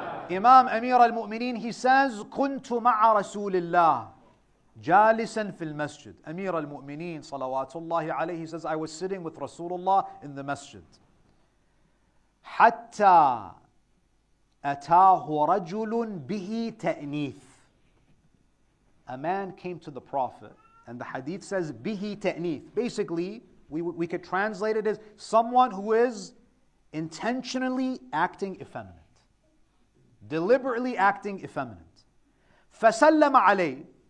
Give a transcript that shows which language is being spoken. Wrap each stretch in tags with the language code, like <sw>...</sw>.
<en>Imam Amir al-Mu'mineen, he says,</en> <ar>kuntu ma'a Rasulillah jalisan fil masjid.</ar> <en>Amir al-Mu'mineen, salawatullahi alayhi, he says, I was sitting with Rasulullah in the masjid.</en> <ar>Hatta أتاه رجل به تأنيث.</ar> <en>A man came to the Prophet, and the hadith says</en> <ar>به تأنيث.</ar> <en>Basically, we could translate it as someone who is intentionally acting effeminate, deliberately acting effeminate.</en> <ar>فسلم عليه.</ar>